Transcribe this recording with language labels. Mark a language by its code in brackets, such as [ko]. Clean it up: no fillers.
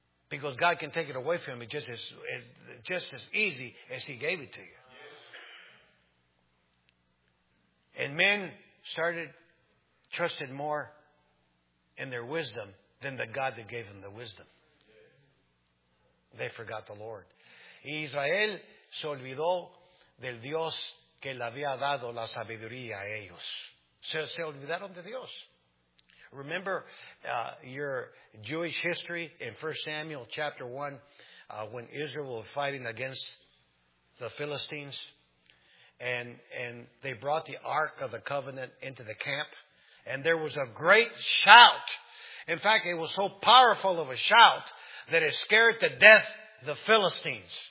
[en] Because God can take it away from you just as easy as He gave it to you. And men started trusting more in their wisdom than the God that gave them the wisdom. They forgot the Lord. [es] Y Israel se olvidó del Dios que le había dado la sabiduría a ellos. Se olvidaron de Dios. [en] Remember your Jewish history in 1 Samuel chapter 1 when Israel was fighting against the Philistines. And they brought the Ark of the Covenant into the camp. And there was a great shout. In fact, it was so powerful of a shout that it scared to death the Philistines.